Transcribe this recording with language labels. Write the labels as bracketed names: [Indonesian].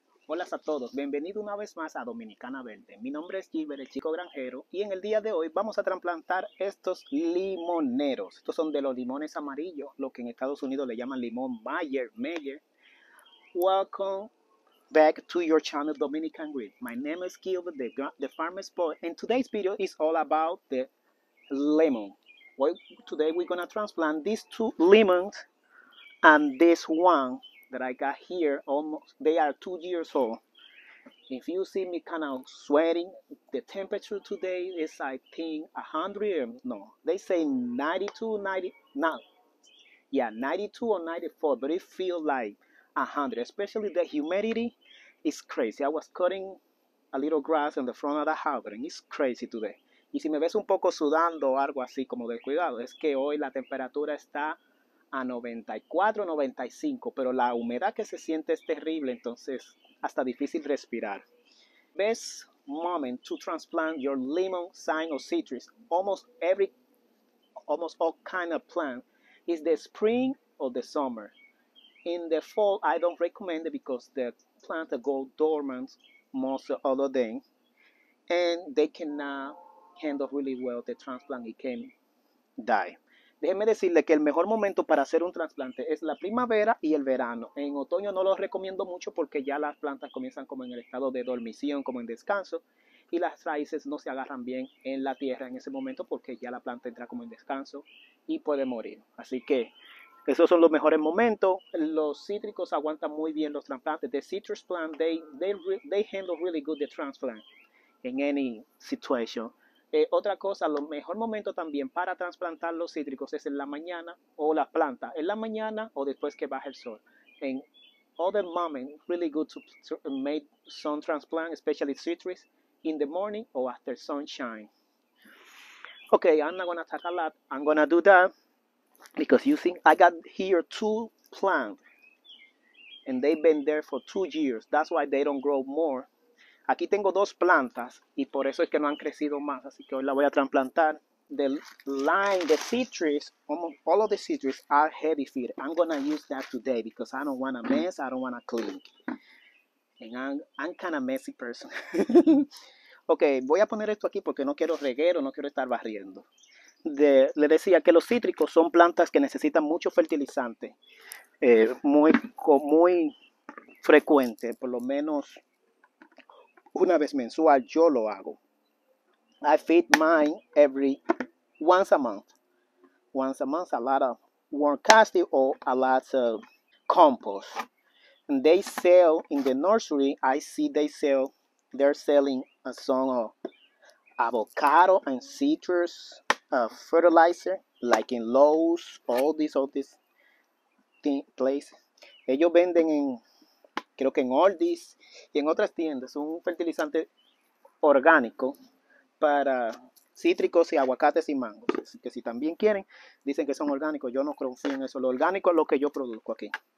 [Spanish] Hola a todos, bienvenido una vez más a Dominicana Verde. Mi nombre es Gilbert, el chico granjero, y en el día de hoy vamos a trasplantar estos limoneros. Estos son de los limones amarillos, lo que en Estados Unidos le llaman limón Meyer. [English] Welcome back to your channel, Dominican Green. My name is Gilbert, the farmer's boy, and today's video is all about the lemon. Well, today we're going to transplant these two limons and this one that I got here. Almost, they are 2 years old. If you see me kind of sweating, the temperature today is, I think, 92 or 94, but it feels like 100, especially the humidity is crazy. I was cutting a little grass in the front of the house, and it's crazy today. [Spanish] Y si me ves un poco sudando o algo así como descuidado, es que hoy la temperatura está a 94, 95, pero la humedad que se siente es terrible, entonces hasta difícil respirar. [English] Best moment to transplant your limon, sign or citrus, almost all kind of plant, is the spring or the summer. In the fall, I don't recommend it because the plant go dormant most of the day, and they cannot handle really well the transplant, it can die. [Spanish] Déjeme decirle que el mejor momento para hacer un trasplante es la primavera y el verano. En otoño no lo recomiendo mucho porque ya las plantas comienzan como en el estado de dormición, como en descanso, y las raíces no se agarran bien en la tierra en ese momento porque ya la planta entra como en descanso y puede morir. Así que esos son los mejores momentos. Los cítricos aguantan muy bien los trasplantes. [English] The citrus plant, they handle really good the transplant in any situation. [Spanish] Otra cosa, lo mejor momento también para trasplantar los cítricos es en la mañana o la planta. En la mañana o después que baja el sol. [English] En other moment, really good to make some transplant, especially citrus, in the morning or after sunshine. Okay, I'm not going to talk a lot. I'm going to do that because you think I got here two plants. And they've been there for 2 years. That's why they don't grow more. [Spanish] Aquí tengo dos plantas y por eso es que no han crecido más, así que hoy la voy a trasplantar. [English] The lime, the citrus, almost all of the citrus are heavy feeder. I'm going to use that today because I don't want to mess, I don't want to clean. And I'm kind of messy person. [Spanish] Okay, voy a poner esto aquí porque no quiero reguero, no quiero estar barriendo. Le decía que los cítricos son plantas que necesitan mucho fertilizante, muy frecuente, por lo menos una vez mensual yo lo hago. [English] I feed mine every once a month. Once a month, a lot of worm casting or a lot of compost. And they sell in the nursery. I see they're selling a song of avocado and citrus fertilizer, like in Lowe's, all these places. [Spanish] Ellos venden en, creo que en Aldi's y en otras tiendas, un fertilizante orgánico para cítricos y aguacates y mangos. Que si también quieren, dicen que son orgánicos. Yo no confío en eso. Lo orgánico es lo que yo produzco aquí.